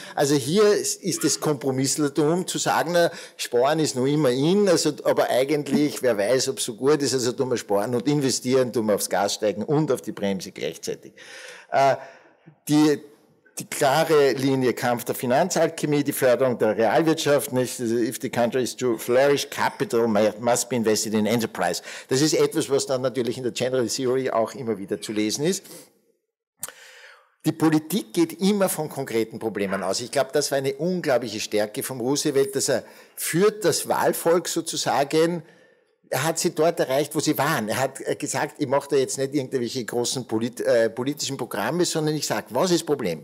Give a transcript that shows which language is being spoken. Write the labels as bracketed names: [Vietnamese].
[German] Also hier ist das Kompromissertum zu sagen, sparen ist nur immer in, also, aber eigentlich, wer weiß, ob es so gut ist, also tun wir sparen und investieren, tun wir aufs Gas steigen und auf die Bremse gleichzeitig. Die klare Linie, Kampf der Finanzalchemie, die Förderung der Realwirtschaft, nicht? [English] If the country is to flourish, capital must be invested in enterprise. [German] Das ist etwas, was dann natürlich in der General Theory auch immer wieder zu lesen ist. Die Politik geht immer von konkreten Problemen aus. Ich glaube, das war eine unglaubliche Stärke vom Roosevelt, dass er führt das Wahlvolk sozusagen. Er hat sie dort erreicht, wo sie waren. Er hat gesagt, ich mache da jetzt nicht irgendwelche großen politischen Programme, sondern ich sage, was ist das Problem?